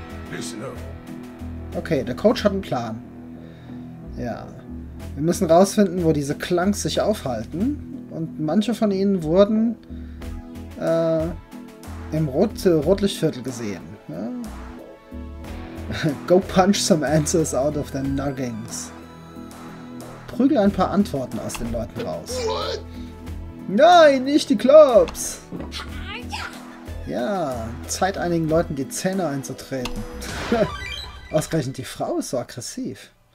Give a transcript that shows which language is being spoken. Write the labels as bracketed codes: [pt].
[en] Listen up. [de] Okay, der Coach hat einen Plan. Ja. Wir müssen rausfinden, wo diese Clunks sich aufhalten. Und manche von ihnen wurden im Rotlichtviertel gesehen. Ja. [en] Go punch some answers out of the nuggings. [de] Prügel ein paar Antworten aus den Leuten raus. Nein, nicht die Clubs! Ja, Zeit einigen Leuten die Zähne einzutreten. Ausgerechnet die Frau ist so aggressiv.